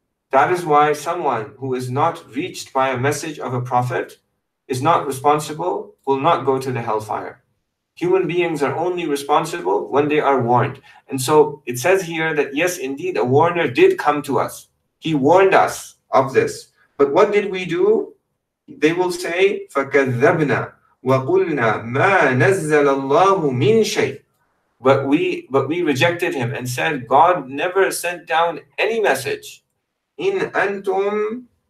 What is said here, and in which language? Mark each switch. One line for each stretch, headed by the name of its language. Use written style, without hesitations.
English: That is why someone who is not reached by a message of a prophet is not responsible, will not go to the hellfire. Human beings are only responsible when they are warned. And so it says here that yes, indeed, a warner did come to us. He warned us of this. But what did we do? They will say,
Arabic: فَكَذَّبْنَا وَقُلْنَا مَا نَزَّلَ اللَّهُ مِنْ شَيْءٍ.
English: But we rejected him and said, God never sent down any message.
Arabic: إِنْ أَنْتُمْ